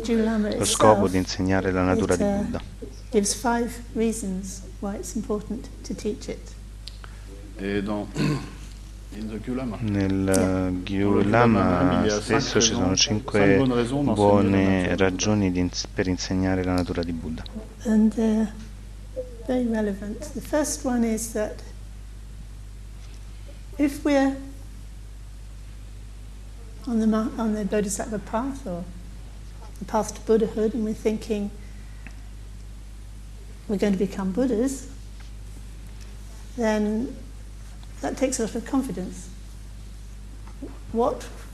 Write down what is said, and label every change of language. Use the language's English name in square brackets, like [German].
[Italian] Lo scopo di insegnare la natura di Buddha? [English] Gives five reasons why it's important to teach it. [Italian] Nel Gyulama stesso ci sono cinque buone ragioni per insegnare la natura di Buddha. [English] And very relevant. The first one is that if we're on the Bodhisattva path or the path to Buddhahood, and we're thinking we're going to become Buddhas, then that takes a lot of confidence. What